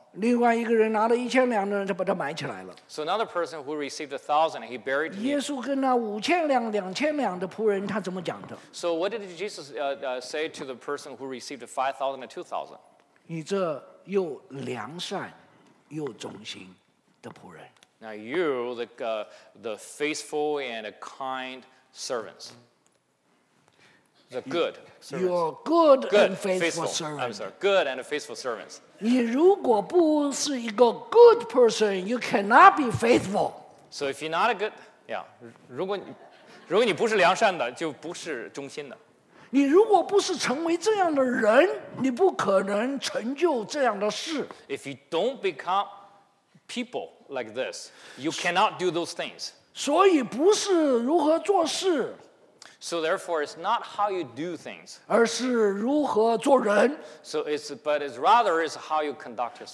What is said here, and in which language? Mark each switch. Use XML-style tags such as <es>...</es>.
<zh>另外一个人拿了1000两的人，他把他埋起来了。</zh> <en>So another person who received 1,000, he buried.</en> <zh>耶稣跟那5000两、2000两的仆人，他怎么讲的</zh> <en>？So what did Jesus say to the person who received 5,000 and 2,000?</en> <zh>你这又良善。又忠心的仆人。</zh> <en>Now you, the faithful and kind servants, the good servants. You're good, good and faithful servants. I'm sorry, good and faithful servants.</en> <zh>你如果不是一个</zh> <en>good person, you cannot be faithful. So if you're not a good, yeah,</en> <zh>如果你不是良善的，就不是忠心的。你如果不是成为这样的人，你不可能成就这样的事。</zh> <en>If you don't become people like this, you cannot do those things.</en> <zh>所以不是如何做事。</zh> <en>So therefore, it's not how you do things.</en> <zh>而是如何做人。</zh> <en>So it's rather is how you conduct yourself.</en>